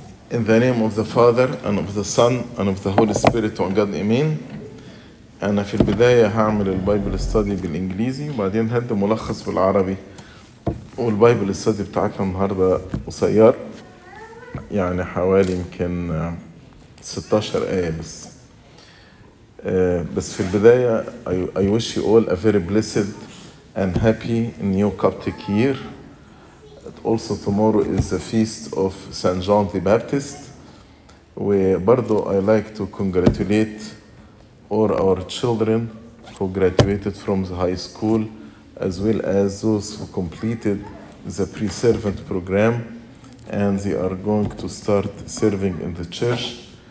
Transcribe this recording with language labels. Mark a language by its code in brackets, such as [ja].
[en] In the name of the Father, and of the Son, and of the Holy Spirit, one God, Amen. [ar] أنا في البداية هعمل البايبل ستادي بالإنجليزي وبعدين هدي ملخص بالعربي والبايبل ستادي بتاعتنا النهاردة قصير يعني حوالي يمكن 16 آية بس في البداية [en] I wish you all a very blessed and happy new Coptic year. Also tomorrow is the feast of Saint John the Baptist وبرضو I like to congratulate or our children who graduated from the high school, as well as those who completed the pre-servant program, and they are going to start serving in the church.